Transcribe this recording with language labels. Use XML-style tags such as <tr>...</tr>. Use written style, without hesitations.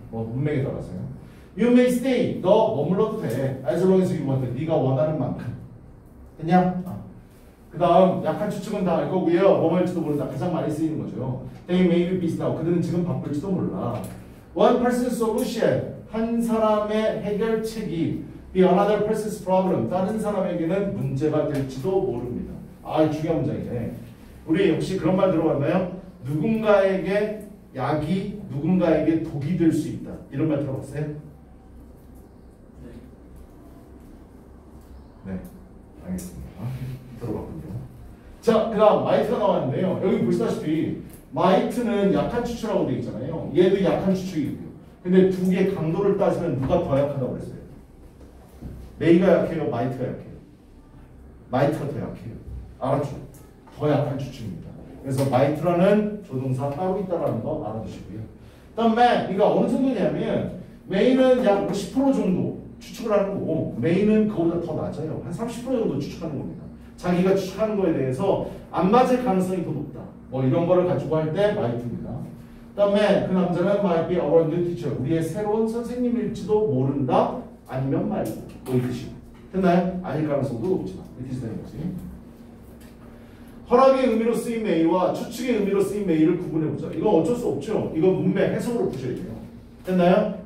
<ko>뭐 문맥에 따라서요.</ko> <en>You may stay.</en> <ko>너 머물러도 돼.</ko> <en>As long as you want.</en> <ko>네가 원하는 만큼. 됐냐? 아. 그 다음 약한 추측은 다 알 거고요. 뭐 말일지도 모른다. 가장 많이 쓰이는 거죠.</ko> <en>They may be busy now.</en> <ko>그들은 지금 바쁠지도 몰라.</ko> <en>One person's solution.</en> <ko>한 사람의 해결책이</ko> <en>be another person's problem.</en> <ko>다른 사람에게는 문제가 될지도 모릅니다. 아, 중요한 문장이네. 우리 역시 그런 말 들어봤나요? 누군가에게 약이 누군가에게 독이 될 수 있다. 이런 말 들어봤어요? 네. 네. 알겠습니다. 들어봤군요. 자, 그 다음, 마이트가 나왔는데요. 여기 보시다시피, 마이트는 약한 추측이라고 되어 있잖아요. 얘도 약한 추측이고요. 근데 두 개 강도를 따지면 누가 더 약하다고 그랬어요? 메이가 약해요? 마이트가 약해요? 마이트가 더 약해요. 알았죠? 더 약한 추측입니다. 그래서 might라는 조동사 따로 있다라는 거 알아두시고요. 다음 may, 이거 어느 정도냐면 may는 약 10% 정도 추측을 하는 거고 may는 그거보다 더 낮아요. 한 30% 정도 추측하는 겁니다. 자기가 추측하는 거에 대해서 안 맞을 가능성이 더 높다. 뭐 이런 거를 가지고 할 때 might입니다. 다음</ko> <en>may,</en> <ko>그 남자는</ko> <en>might be our new teacher.</en> <ko>우리의 새로운 선생님일지도 모른다. 아니면 말고 뭐 이듯이. 됐나요? 아닐 가능성도 높지만. 이 뜻이 되는 거지. 허락의 의미로 쓰인 메이와 추측의 의미로 쓰인 메이를 구분해보자. 이건 어쩔 수 없죠. 이건 문맥 해석으로 보셔야 돼요. 됐나요?</ko>